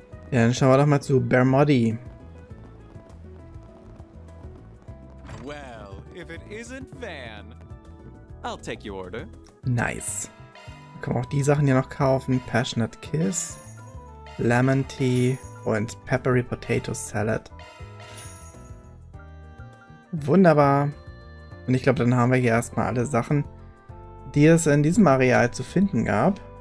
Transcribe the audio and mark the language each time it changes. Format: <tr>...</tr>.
<de>Ja, dann schauen wir doch mal zu Bear Moddy.</de> <en>Well, if it isn't Van, I'll take your order. Nice.</en> <de>Wir können auch die Sachen hier noch kaufen. Passionate Kiss, Lemon Tea und Peppery Potato Salad. Wunderbar. Und ich glaube, dann haben wir hier erstmal alle Sachen, die es in diesem Areal zu finden gab.</de>